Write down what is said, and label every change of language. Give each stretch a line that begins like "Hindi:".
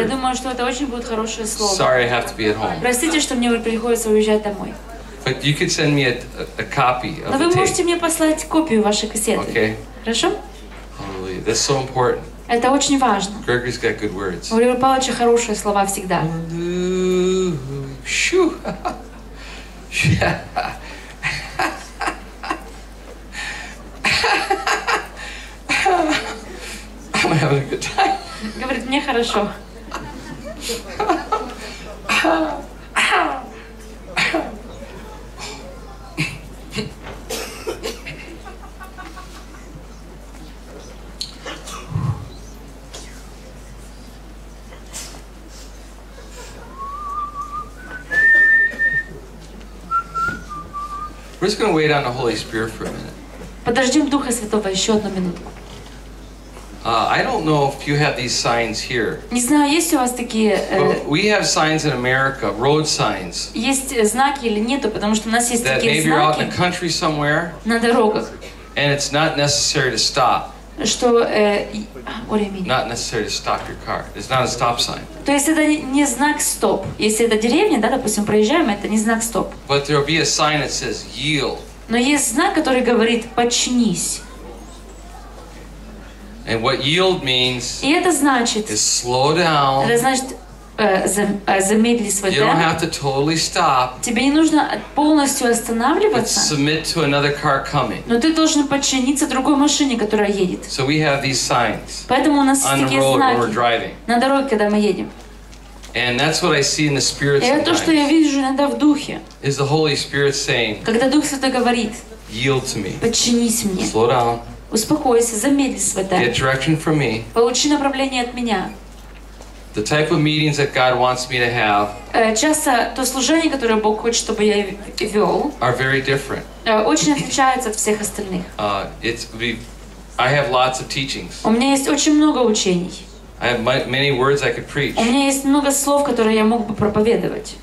Russian: Я думаю, что это очень будет хорошее слово.
English: Sorry, I have to be at home.
Russian: Простите, что мне приходится уезжать домой.
English: But you could send me a copy of the tape.
Russian: Но вы можете мне послать копию вашей кассеты.
English: Okay.
Russian: Хорошо?
English: Hallelujah. That's so important.
Russian: Это очень важно.
English: Gregory's got good words.
Russian: У Григория Павловича хорошие слова всегда.
English: Hallelujah. I'm having a good time.
Russian: Говорит, мне хорошо.
English: We're just going to wait on the Holy Spirit for a minute.
Russian: Подождем Духа Святого еще одну минутку.
English: I don't know if you have these signs here.
Russian: Не знаю, есть у вас такие.
English: We have signs in America, road signs.
Russian: Есть знаки или нету, потому что у нас есть такие знаки.
English: That maybe you're out in the country somewhere.
Russian: На дорогах.
English: And it's not necessary to stop.
Russian: Что,
English: what do you mean? Not necessary to stop your car. It's not a stop sign.
Russian: То есть это не знак стоп. Если это деревня, да, допустим, проезжаем, это не знак стоп.
English: But there'll be a sign that says yield.
Russian: Но есть знак, который говорит подчинись.
English: And what yield means?
Russian: И это значит.
English: Is slow down.
Russian: Это значит замедли свой темп.
English: You don't have to totally stop.
Russian: Тебе не нужно полностью останавливаться.
English: But submit to another car coming.
Russian: Но ты должен подчиниться другой машине, которая едет.
English: So we have these signs.
Russian: Поэтому у нас есть такие знаки.
English: On the road when we're driving.
Russian: На дороге, когда мы едем.
English: And that's what I see in the Spirit.
Russian: И это то, что я вижу иногда в духе.
English: Is the Holy Spirit saying?
Russian: Когда Дух Святой говорит.
English: Yield to me.
Russian: Подчинись мне.
English: Slow down.
Russian: Успокойся, замедли свой темп.
English: Get direction from me.
Russian: Получи направление от меня.
English: The type of meetings that God wants me to have.
Russian: Часто то служение, которое Бог хочет, чтобы я вел.
English: Are very different.
Russian: Очень отличается от всех остальных.
English: I have lots of teachings.
Russian: У меня есть очень много учений.
English: I have many words I could preach.
Russian: У меня есть много слов, которые я мог бы проповедовать.